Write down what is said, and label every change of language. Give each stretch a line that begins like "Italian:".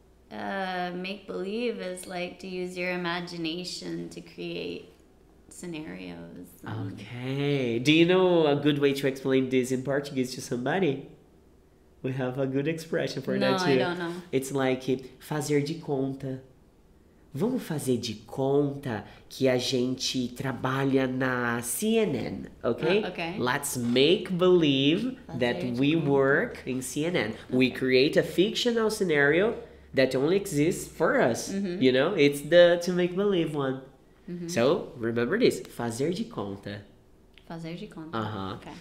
English: Make believe is like to use your imagination to create scenarios. Okay. Do you know a good way to explain this in Portuguese to somebody? We have a good expression for that too. No, I don't know. It's like
Portuguese: fazer de conta. Vamos fazer de conta que a gente trabalha na CNN, okay?
English: Okay. Let's make believe that we work in CNN. Okay. We create a fictional scenario that only exists for us. Mm-hmm. You know, it's the to make believe one. Mm-hmm. So, remember this,
Portuguese: fazer de conta. Fazer de conta. Uh-huh.